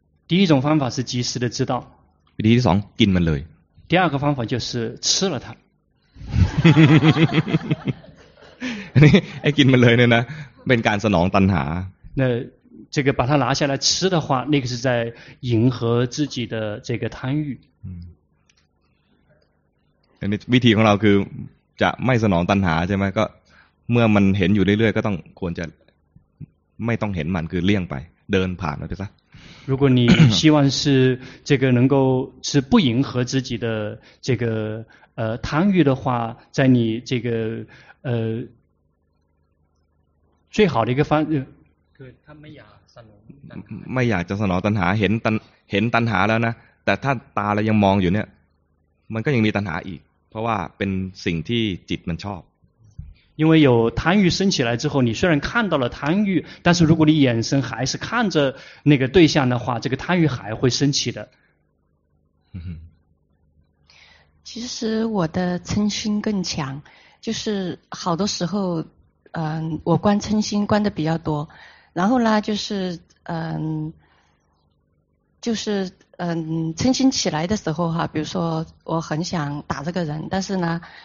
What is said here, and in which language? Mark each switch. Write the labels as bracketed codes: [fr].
[zh] 第一种方法是及时的知道。 [th] วิธีที่สองกินมันเลย。 [zh] 第二个方法就是吃了它。 [th] 哎，กินมันเลยเนี่ยนะ，เป็นการสนองตัณหา。 [zh] 那这个把它拿下来吃的话，那个是在迎合自己的这个贪欲。嗯。 [th] 那วิธีของเราคือจะไม่สนองตัณหาใช่ไหม？ก็เมื่อมันเห็นอยู่เรื่อยๆก็ต้องควรจะไม่ต้องเห็นมันคือเลี่ยงไปเดินผ่านไปซะ。 [zh] 如果你希望是这个能够是不迎合自己的这个贪欲的话，在你这个最好的一个方式，可他 [th] ไม่อยากสนอง ไม่อยากจะสนองตัณหาเห็นตัณหาแล้วนะแต่ถ้าตาเรายังมองอยู่เนี่ยมันก็ยังมีตัณหาอีกเพราะว่าเป็นสิ่งที่จิตมันชอบ。 [zh] 因为有贪欲升起来之后，你虽然看到了贪欲，但是如果你眼神还是看着那个对象的话，这个贪欲还会升起的。其实我的嗔心更强，就是好多时候，我观嗔心观的比较多，然后呢，就是嗔心起来的时候哈，比如说我很想打这个人，但是呢。